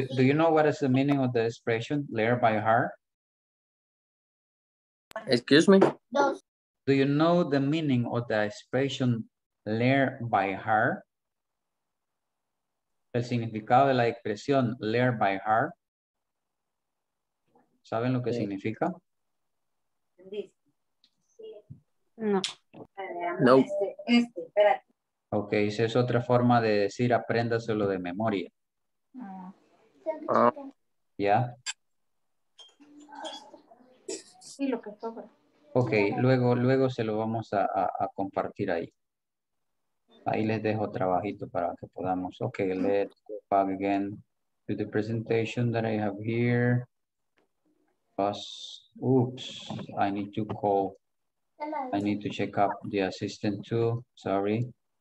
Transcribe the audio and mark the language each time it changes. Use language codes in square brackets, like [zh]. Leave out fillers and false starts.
[en] Do you know what is the meaning of the expression, learn by heart? Excuse me? Do you know the meaning of the expression, learn by heart? [es] El significado de la expresión, [en] learn by heart. [es] ¿Saben lo que significa? No. No. Espérate. Ok, esa es otra forma de decir apréndaselo de memoria. ¿Ya? Sí, lo que sobra. Ok, luego se lo vamos a compartir ahí. Ahí les dejo trabajito para que podamos. [en] Ok, let's go back again to the presentation that I have here. Oops, I need to call. I need to check up the assistant too, sorry.